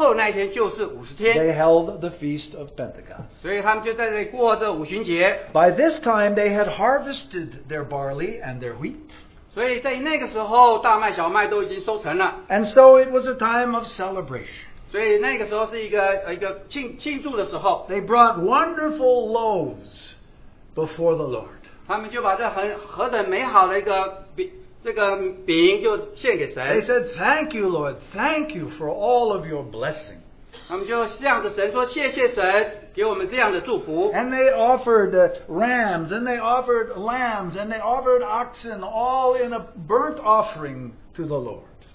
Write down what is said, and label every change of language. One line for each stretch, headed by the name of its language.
Chinese: 所以在第七个安息日之后那一天就是50天,
English: they held the Feast of Pentecost.
Chinese: 所以他们就在这里过这五旬节。
English: By this time, they had harvested their barley and their wheat.
Chinese: 所以在那个时候,大麦小麦都已经收成了。
English: And so it was a time of celebration.
Chinese: 所以那个时候是一个庆祝的时候。
English: They brought wonderful loaves before the Lord.
Chinese: 他们就把这何等美好的一个饼就献给神。
English: They said, thank you, Lord. Thank you for all of your blessing.
Chinese: 他们就向着神说谢谢神给我们这样的祝福。
English: And they offered rams, and they offered lambs, and they offered oxen, all in a burnt offering to the Lord.